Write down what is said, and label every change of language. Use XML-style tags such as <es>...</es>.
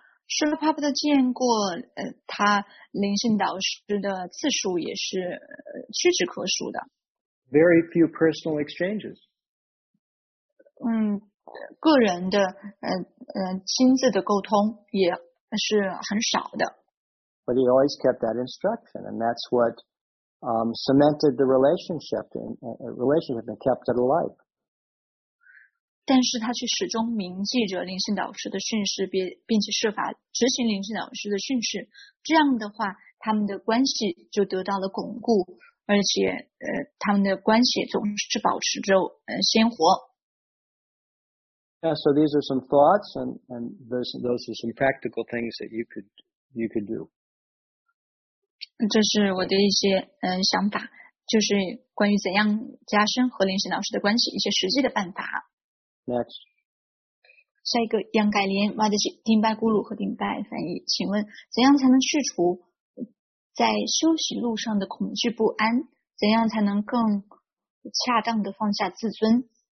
<zh>Srila Prabhupada 见过他灵性导师的次数也是屈指可数的。</zh> <en>Very few personal exchanges.</en> <zh>个人的亲自的沟通也是很少的。</zh> <en>But he always kept that instruction, and that's what cemented the relationship and kept it alive.</en> <zh>但是他却始终铭记着灵性导师的训示，并且设法执行灵性导师的训示。这样的话，他们的关系就得到了巩固，而且他们的关系总是保持着鲜活。</zh> <en>Yeah, so these are some thoughts and those are some practical things that you could do.</en> <zh>这是我的一些想法，就是关于怎样加深和灵性导师的关系一些实际的办法。</zh> <en>Next.</en> <zh>下一个杨改莲挖的是丁拜咕噜和丁拜翻译，请问怎样才能去除在休息路上的恐惧不安，怎样才能更恰当的放下自尊。</zh>